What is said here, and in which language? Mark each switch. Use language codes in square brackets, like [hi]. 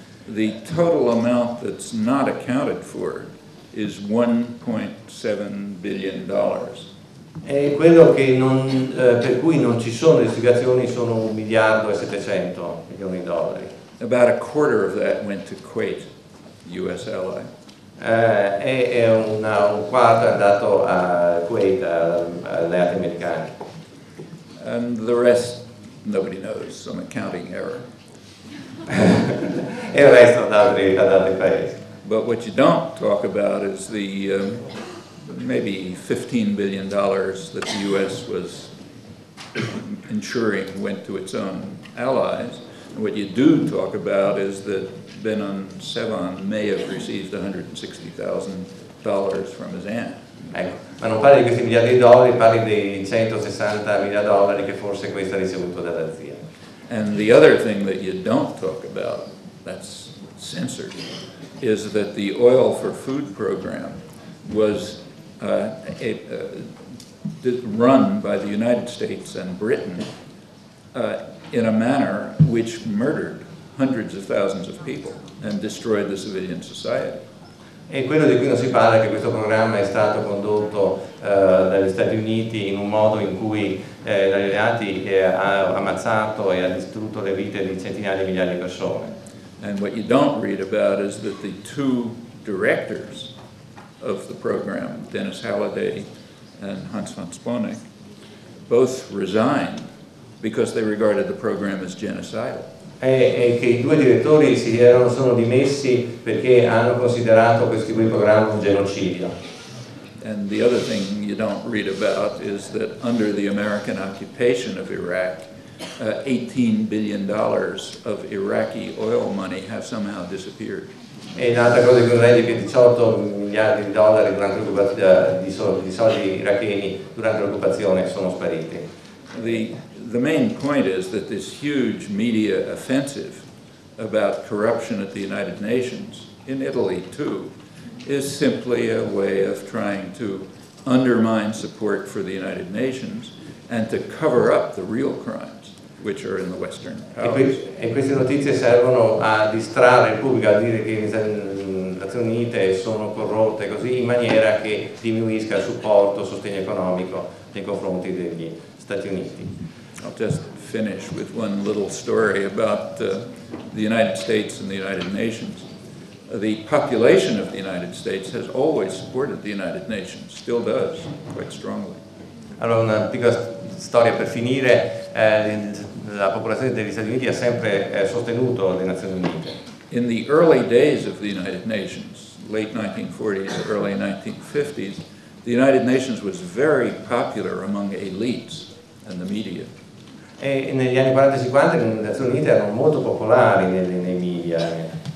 [en] The total amount that's not accounted for is $1.7 billion. [it] E quello che non, per cui non ci sono le spiegazioni sono 1.700 milioni di dollari. [en] About a quarter of that went to Kuwait, U.S. ally. [it] E un quarto è andato a Kuwait, alleati americani. [en] And the rest, nobody knows, some accounting error. [it] E il resto ad altri paesi. [en] But what you don't talk about is the maybe $15 billion that the U.S. was ensuring went to its own allies. What you do talk about is that Benon Sevan may have received $160,000 from his aunt. [it] Ecco, ma non parli di questi miliardi di dollari, parli dei $160,000 che forse questa ha ricevuto dalla zia. [en] And the other thing that you don't talk about, that's censored, is that the Oil for Food program was run by the United States and Britain in a manner which murdered hundreds of thousands of people and destroyed the civilian society. [it] E quello di cui non si parla è che questo programma è stato condotto dagli Stati Uniti in un modo in cui gli alleati ha ammazzato e ha distrutto le vite di centinaia di migliaia di persone. [en] And what you don't read about is that the two directors of the program, Dennis Halliday and Hans von Sponeck, both resigned because they regarded the program as genocidal. [it] E che i due direttori si erano sono dimessi perché hanno considerato questo programma un genocidio. [en] And the other thing you don't read about is that under the American occupation of Iraq, $18 billion of Iraqi oil money have somehow disappeared. [it] E l'altra cosa che non è che 18 miliardi di dollari durante di soldi iracheni durante l'occupazione sono spariti. [en] The main point is that this huge media offensive about corruption at the United Nations, in Italy too, is simply a way of trying to undermine support for the United Nations and to cover up the real crimes. which are in the Western House. [it] E queste notizie servono a distrarre il pubblico, a dire che le Nazioni Unite sono corrotte, così, in maniera che diminuisca il supporto, il sostegno economico nei confronti degli Stati Uniti. [en] I'll just finish with one little story about the United States and the United Nations. The population of the United States has always supported the United Nations, still does, quite strongly. [it] Allora, una piccola storia per finire. La popolazione degli Stati Uniti ha sempre sostenuto le Nazioni Unite. [en] In the early days of the United Nations, late 1940s, early 1950s, the United Nations was very popular among elites and the media. [it] E negli anni 40 e 50 le Nazioni Unite erano molto popolari nei media.